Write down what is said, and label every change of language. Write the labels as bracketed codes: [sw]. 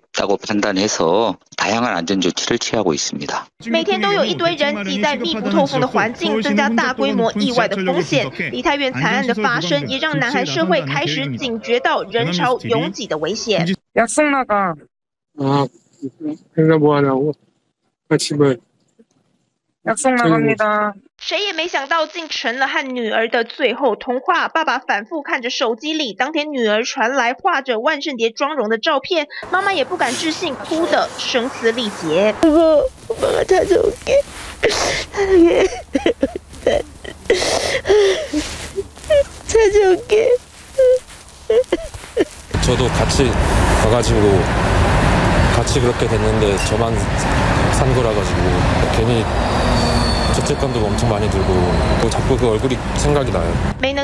[ko] 있다고 판단해서 다양한 안전 조치를 취하고 있습니다. [zh] 每天都有一堆人挤在密不透风的环境，增加大规模意外的风险。梨泰院惨案的发生也让南韩社会开始警觉到人潮拥挤的危险。 [ko] 약속 나가. 아, 뭐 하냐고? 아침을 약속 나갑니다. [zh] 谁也没想到竟成了和女儿的最后通话。爸爸反复看着手机里当天女儿传来画着万圣节妆容的照片，妈妈也不敢置信，哭得声嘶力竭。妈妈，妈妈， [ko] 찾아올게，찾아올게，찾아올게。 저도 같이 가가지고 같이 그렇게 됐는데 저만 산 거라가지고 괜히. 죄책감도 엄청 많이 들고 자꾸 그 얼굴이 생각이 나요.